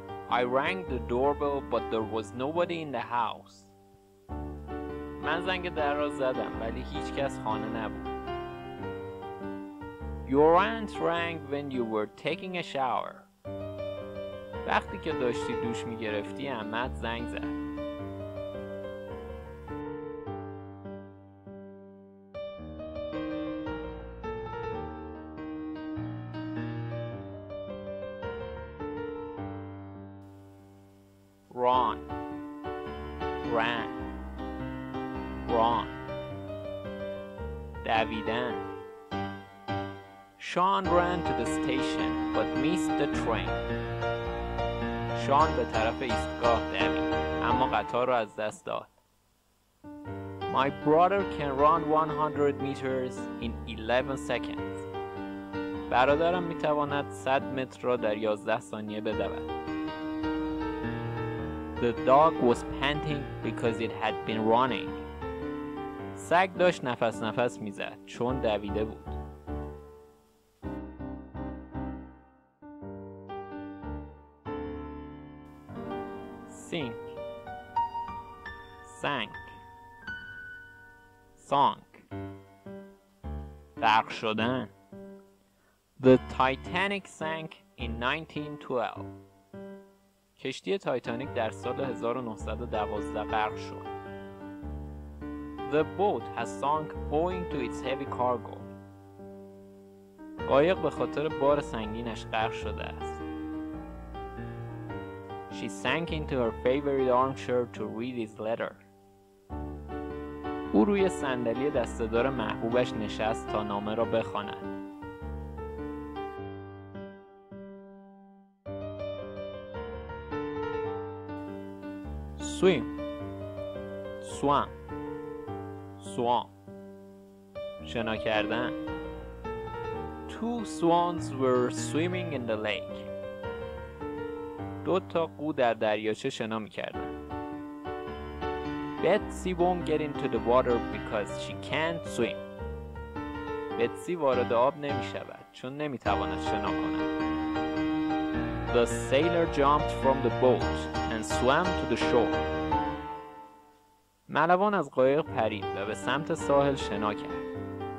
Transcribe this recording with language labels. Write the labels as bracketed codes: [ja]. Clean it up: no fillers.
[en] I rang the doorbell but there was nobody in the house. [fa] من زنگ در را زدم ولی هیچ کس خانه نبود. [en] Your aunt rang when you were taking a shower. [fa] وقتی که داشتی دوش میگرفتی عمت زنگ زد. [en] Run. Ran. Run. [fa] دویدن. [en] Sean ran to the station but missed the train. [fa] Sean به طرف ایستگاه دوید اما قطار رو از دست داد. [en] My brother can run 100 meters in 11 seconds. [fa] برادرم میتواند 100 متر را در 11 ثانیه بدود. [en] The dog was panting because it had been running. [fa] سگ داشت نفس نفس میزد چون دویده بود. [en] Sink. Sank. Sunk. [fa] غرق شدن. [en] The Titanic sank in 1912. [fa] کشتی تایتانیک در سال 1912 غرق شد. [en] The boat has sunk owing to its heavy cargo. [fa] قایق به خاطر بار سنگینش غرق شده است. [en] She sank into her favorite armchair to read his letter. [fa] او روی صندلی دستدار محبوبش نشست تا نامه را بخواند. [en] Swim. Swam. Swam. [fa] شنا کردن. [en] Two swans were swimming in the lake. [fa] دو تا قو در دریاچه شنا می کردن. [en] Betsy won't get into the water because she can't swim. [fa] Betsy وارد آب نمی شود چون نمی تواند شنا کند. [en] The sailor jumped from the boat and swam to the shore. [fa] ملوان از قایق پرید و به سمت ساحل شنا کرد.